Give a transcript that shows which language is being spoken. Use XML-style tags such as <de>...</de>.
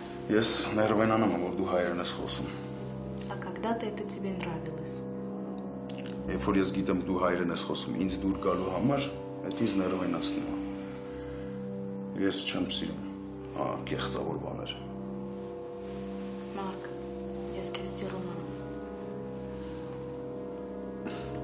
<hy>Ես ներվենանում եմ, որ դու հայերեն ես խոսում։</hy> <ru>А когда ты это тебе нравилось?</ru> <hy>Երբ որ ես գիտեմ դու հայերեն ես խոսում, ինձ դուր գալու համար, այդ ինձ ներվենացնում է։ Ես չեմ սիրում կեղծավոր բաներ։ Մարկ, ես քեզ սիրում եմ։</hy>